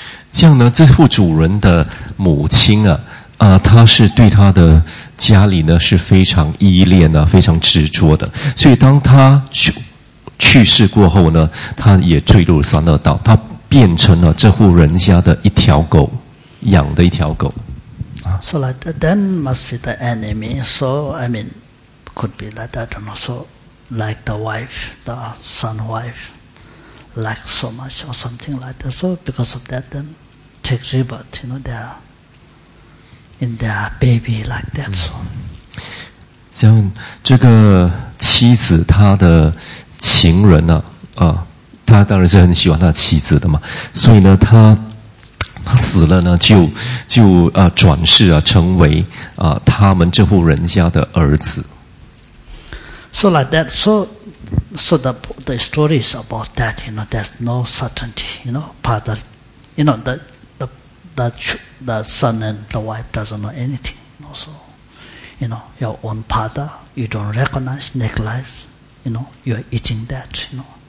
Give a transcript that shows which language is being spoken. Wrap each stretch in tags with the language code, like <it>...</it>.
<zh>这样呢，这户主人的母亲她是对她的家里呢是非常依恋啊，非常执着的。所以当她去世过后呢，她也坠入三恶道，她变成了这户人家的一条狗，养的一条狗。</zh> <en>So like that, then must be the enemy. So I mean, could be like that, I don't know. So. Like the wife, the son wife, like so much or something like that. So because of that, then take rebirth, you know, they're in their baby like that. So,</en> <zh>像这个妻子，他的情人呢，他当然是很喜欢他的妻子的嘛。所以呢，他死了呢，就转世啊，成为他们这户人家的儿子。</zh> <en>So like that, so the story is about that, you know, there's no certainty, you know, father, you know, the son and the wife doesn't know anything, you know, so, you know, your own father, you don't recognize next life, you know, you're eating that, you know.</en>